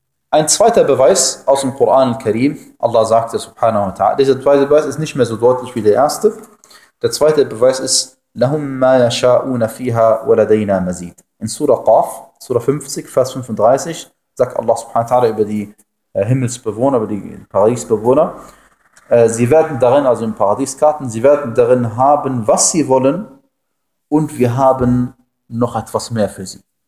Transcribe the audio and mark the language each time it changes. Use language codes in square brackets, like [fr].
[de] Ein zweiter Beweis aus dem Koran al-Karim, Allah sagt ja subhanahu wa ta'ala, dieser zweite Beweis ist nicht mehr so deutlich wie der erste. Der zweite Beweis ist, [ar] لَهُمْ مَا يَشَاءُونَ فِيهَا وَلَدَيْنَا مَزِيدٍ. [de] In Surah Qaf, Surah 50, Vers 35, sagt Allah subhanahu wa ta'ala über die Himmelsbewohner, über die Paradiesbewohner, sie werden darin, also im Paradieskarten, sie werden darin haben, was sie wollen, und wir haben noch etwas mehr für sie.